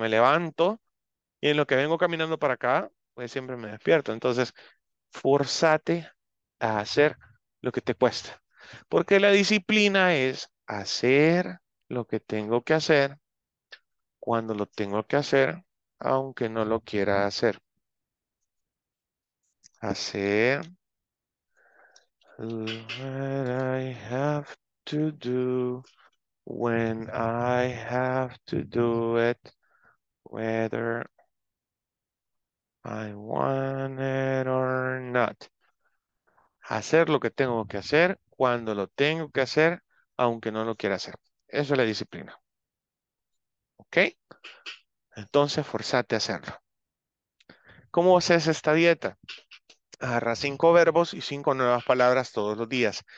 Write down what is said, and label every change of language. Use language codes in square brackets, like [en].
[es] Me levanto y en lo que vengo caminando para acá, pues siempre me despierto. Entonces, forzate a hacer lo que te cuesta. Porque la disciplina es hacer lo que tengo que hacer cuando lo tengo que hacer, aunque no lo quiera hacer. Hacer [en] what I have to do when I have to do it, whether I want it or not. [es] Hacer lo que tengo que hacer cuando lo tengo que hacer, aunque no lo quiera hacer. Eso es la disciplina. ¿Ok? Entonces, forzate a hacerlo. ¿Cómo haces esta dieta? Agarra 5 verbos y 5 nuevas palabras todos los días.